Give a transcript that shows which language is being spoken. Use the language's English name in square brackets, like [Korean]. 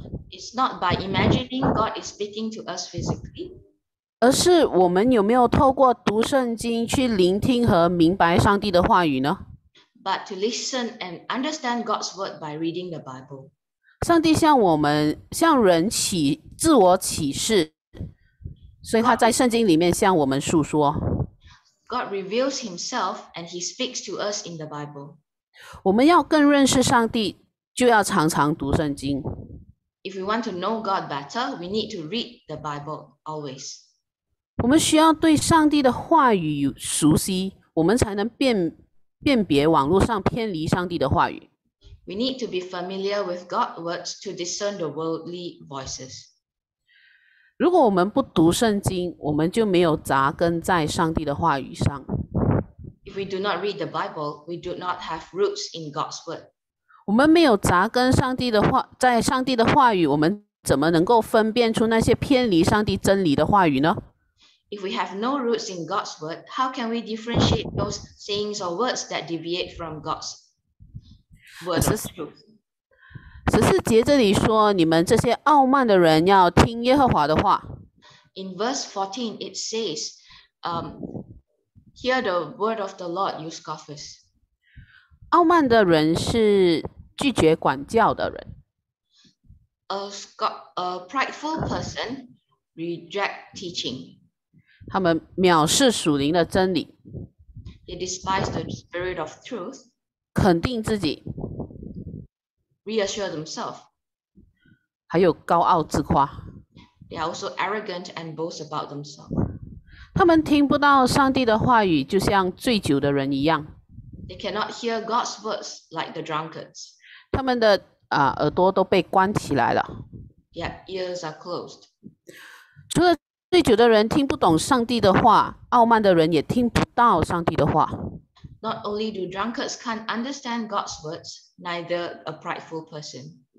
[English] It's not by imagining God is speaking to us physically. [Chinese] 而是我们有没有透过读圣经去聆听和明白上帝的话语呢？ [English] But to listen and understand God's word by reading the Bible. [Chinese] 上帝向我们向人启自我启示，所以他在圣经里面向我们述说。 [English] God reveals himself and he speaks to us in the Bible. [Chinese] 我们要更认识上帝，就要常常读圣经。 [English] If we want to know God better, we need to read the Bible always. [Chinese] 我们需要对上帝的话语熟悉，我们才能辨别网络上偏离上帝的话语。 [English] We need to be familiar with God's words to discern the worldly voices. [Chinese] 如果我们不读圣经，我们就没有扎根在上帝的话语上。 [English] If we do not read the Bible, we do not have roots in God's word. [Chinese] 我们没有扎根上帝的话，在上帝的话语，我们怎么能够分辨出那些偏离上帝真理的话语呢？ [English] If we have no roots in God's word, how can we differentiate those sayings or words that deviate from God's word of truth? [Chinese] 十四节这里说，你们这些傲慢的人要听耶和华的话。 [English] In verse 14, it says, hear the word of the Lord, you scoffers. [Chinese] 傲慢的人是拒绝管教的人。 [English] A prideful person reject teaching. [Chinese] 他们藐视属灵的真理。 [English] They despise the spirit of truth. [Chinese] 肯定自己。 [English] Reassure themselves. [Chinese] 还有高傲自夸。 [English] They are also arrogant and boast about themselves. [Chinese] 他们听不到上帝的话语，就像醉酒的人一样。 [English] They cannot hear God's words like the drunkards. [Chinese] 他们的耳朵都被关起来了。 [English] Yeah, ears are closed. [Chinese] 除了醉酒的人听不懂上帝的话，傲慢的人也听不到上帝的话。 [English] Not only do drunkards can't understand God's words, neither a prideful person.